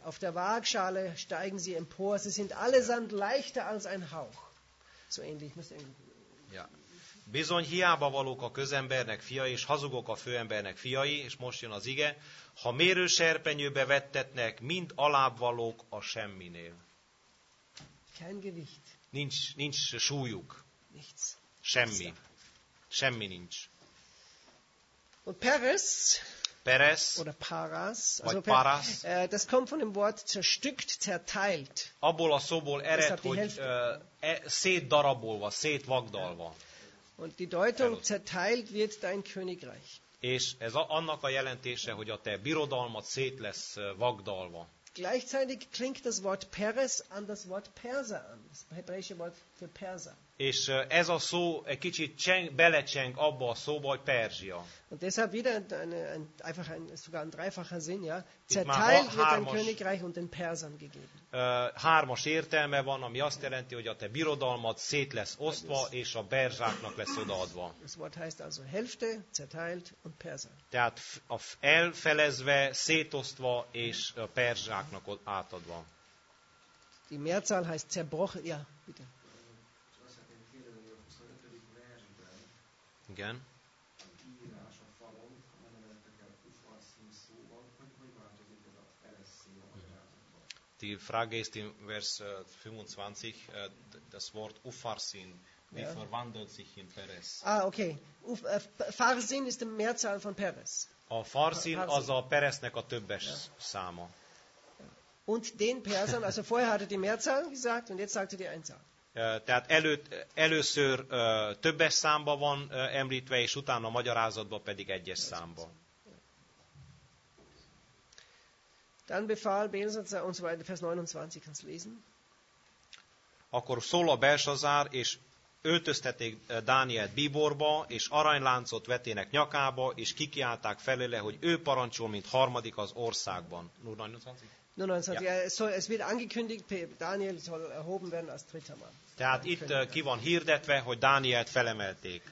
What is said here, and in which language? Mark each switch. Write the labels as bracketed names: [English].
[German] Auf der Waagschale steigen sie empor. Sie sind allesamt leichter als ein Hauch. So ähnlich. [Hungarian] Bizony hiába valók a közembernek fiai, és hazugok a főembernek fiai, és most jön az ige, ha mérőserpenyőbe vettetnek, mind alább valók a semminél. [German] Kein Gewicht. [Hungarian] Nincs súlyuk. [German] Nichts. [Hungarian] Semmi. semmi nincs. [English] Well, Peres, [Hungarian] Peres [German] oder Paras, [Hungarian] vagy also Paras, [German] das kommt von dem Wort zerstückt, zerteilt. [Hungarian] Abból a szóból ered, hogy szétdarabolva, szétvagdalva. [German] Und die Deutung zerteilt wird dein Königreich. [Hungarian] És ez annak a jelentése, hogy a te birodalmat szét lesz vagdalva. [German] Gleichzeitig klingt das Wort Peres an das Wort Perser an, das hebräische Wort für Perser. [Hungarian] És ez a szó egy kicsit belecseng abba a szóba, hogy Perzsia. [German] Und deshalb wieder sogar ein dreifacher Sinn, ja? Zerteilt wird dein Königreich und den Persern gegeben. [Hungarian] Hármas értelme van, ami azt jelenti, hogy a te birodalmat szét lesz osztva, és a berzsáknak lesz odaadva. [German] Das Wort heißt also Hälfte, zerteilt und Perser. [Hungarian] Tehát elfelezve, szétosztva, és a perzsáknak átadva. [German] Die Mehrzahl heißt zerbrochen, ja, bitte. [Hungarian] Igen. [German] Die Frage ist in Vers 25, das Wort Ufarsin, wie verwandelt sich in Peres? Ah, okay. Farsin ist die Mehrzahl von Peres. [Hungarian] A Farsin az a Peresnek a többes száma. [German] Und den Persern, also vorher hatte die Mehrzahl gesagt und jetzt sagte die Einzahl. [Hungarian] Tehát először többes számba van említve, és utána a magyarázatban pedig egyes számba. [German] Dann befahl Belsazar und so weiter, Vers 29, kannst du lesen? [Hungarian] Akkor szól a Belsazar, és öltöztették Dánielt bíborba, és aranyláncot vetének nyakába, és kikiálták felőle, hogy ő parancsol, mint harmadik az országban. [German] 29. Es wird angekündigt, Daniel soll erhoben werden als dritter Mann. [Hungarian] Tehát itt ki van hirdetve, hogy Dánielt felemelték.